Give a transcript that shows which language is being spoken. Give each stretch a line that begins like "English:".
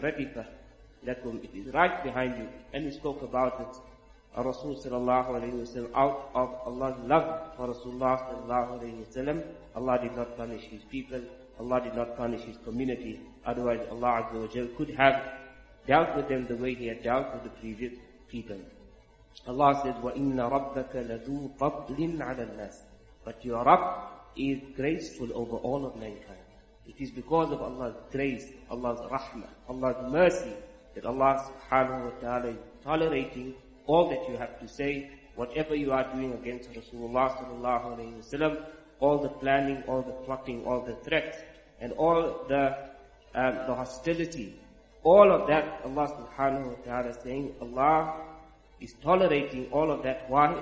English: Ratifa lakum, it is right behind you. And we spoke about it. Rasul sallallahu alayhi wa sallam, out of Allah's love for Rasulullah sallallahu alayhi wa sallam, Allah did not punish his people, Allah did not punish his community. Otherwise Allah azza wa jal could have dealt with them the way he had dealt with the previous people.
Arabic: Allah says, وَإِنَّ رَبَّكَ لَذُو فَضْلٍ عَلَى النَّاسِ.
English: But your Rabb is graceful over all of mankind. It is because of Allah's grace, Allah's rahmah, Allah's mercy, that Allah subhanahu wa ta'ala is tolerating all that you have to say, whatever you are doing against Rasulullah sallallahu alayhi wa sallam, all the planning, all the plotting, all the threats, and all the hostility, all of that Allah subhanahu wa ta'ala is saying, Allah is tolerating all of that. Why?